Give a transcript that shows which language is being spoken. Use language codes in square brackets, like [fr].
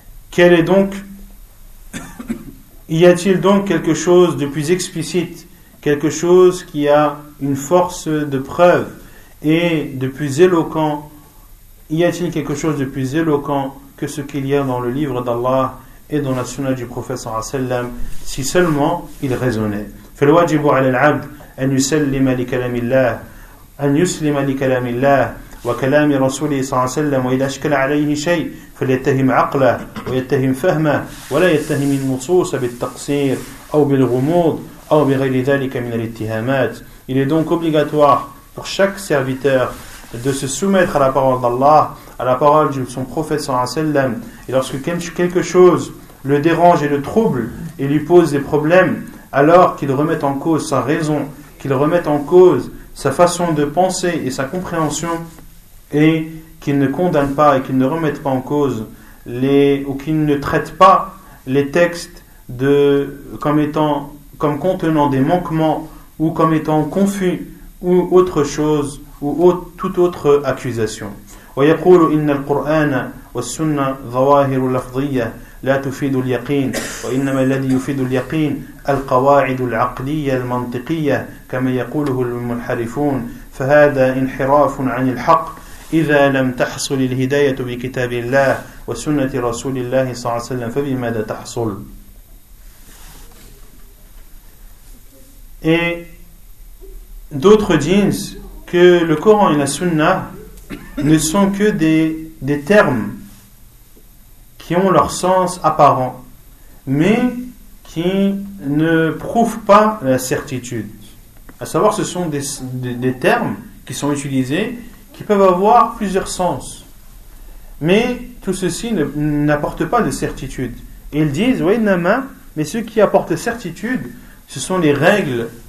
[fr] Quel est donc, y a-t-il donc quelque chose de plus explicite, quelque chose qui a une force de preuve et de plus éloquent, y a-t-il quelque chose de plus éloquent que ce qu'il y a dans le livre d'Allah et dans la sunna du prophète sallam, si seulement il raisonnait? [ar] فالواجب على العبد أن يسلم لكلام الله أن يسلم لكلام الله وكلام رسوله صلى الله عليه وسلم وإذا أشكل عليه شيء فليتهم عقله ويتهم فهمه ولا يتهم النصوص بالتقصير أو بالغموض أو بغير ذلك من الاتهامات. [fr] Il est donc obligatoire pour chaque serviteur de se soumettre à la parole d'Allah, à la parole de son prophète sallallahu alayhi wa sallam, et lorsque quelque chose le dérange et le trouble et lui pose des problèmes, alors qu'il remette en cause sa raison, qu'il remette en cause sa façon de penser et sa compréhension, et qu'il ne condamne pas et qu'il ne remette pas en cause ou qu'il ne traite pas les textes comme contenant des manquements ou comme étant confus ou autre chose ou toute autre accusation. [ar] ويقول إن القرآن والسنة ظواهر لفظية لا تفيد اليقين وإنما الذي يفيد اليقين القواعد العقلية المنطقية كما يقوله المنحرفون فهذا انحراف عن الحق إذا لم تحصل الهداية بكتاب الله وسنة رسول الله صلى الله عليه وسلم فبماذا تحصل؟ [fr] Et d'autres disent que le Coran et la Sunna ne sont que des termes qui ont leur sens apparent, mais qui ne prouvent pas la certitude. À savoir, ce sont des termes qui sont utilisés, qui peuvent avoir plusieurs sens, mais tout ceci n'apporte pas de certitude. Et ils disent, oui, Nama, mais ce qui apporte certitude, ce sont les règles.